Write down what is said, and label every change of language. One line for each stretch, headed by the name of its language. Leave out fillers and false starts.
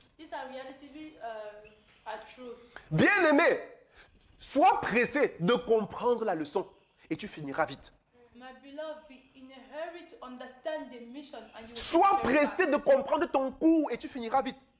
English: These are realities are true.
French: Bien aimé, sois pressé de comprendre la leçon et tu finiras vite.
English: My beloved, be in a hurry to understand the mission and you will
French: Sois pressé de comprendre ton cours et tu finiras vite.